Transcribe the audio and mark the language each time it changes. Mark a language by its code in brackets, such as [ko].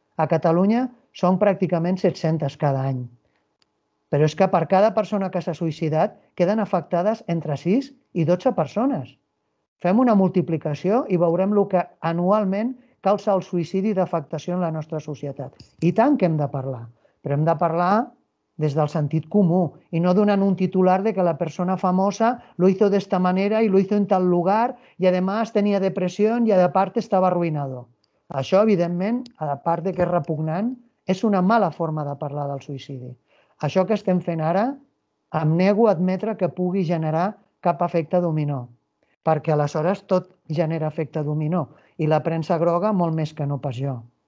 [ca] A Catalunya són pràcticament 700 cada any. Però és que per cada persona que s'ha suïcidat queden afectades entre 6 i 12 persones. Fem una multiplicació i veurem el que anualment causa el suïcidi d'afectació en la nostra societat. I tant que hem de parlar, però hem de parlar des del sentit comú i no donant un titular de que la persona famosa [es] lo hizo de esta manera y lo hizo en tal lugar y además tenía depresión y aparte estaba arruinado. [ca] Això, evidentment, a part de que és repugnant, és una mala forma de parlar del suïcidi. Això que estem fent ara, em nego a admetre que pugui generar cap efecte dominó, perquè aleshores tot genera efecte dominó i la premsa groga molt més que no pas jo.